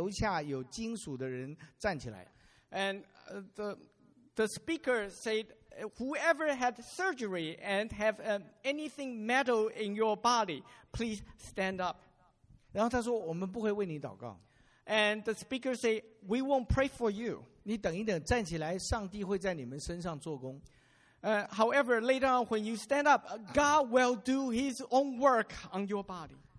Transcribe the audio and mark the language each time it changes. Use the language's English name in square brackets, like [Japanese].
[Chinese] 但是有一个神迹是这样的，他说中间开过刀，里面身体里面留下有金属的人站起来。 [English] And the speaker said, whoever had surgery and have anything metal in your body, please stand up. [Chinese] 然后他说我们不会为你祷告。 [English] And the speaker say, we won't pray for you. [Chinese] 你等一等，站起来，上帝会在你们身上做工。 [English] However, later on, when you stand up, God will do his own work on your body.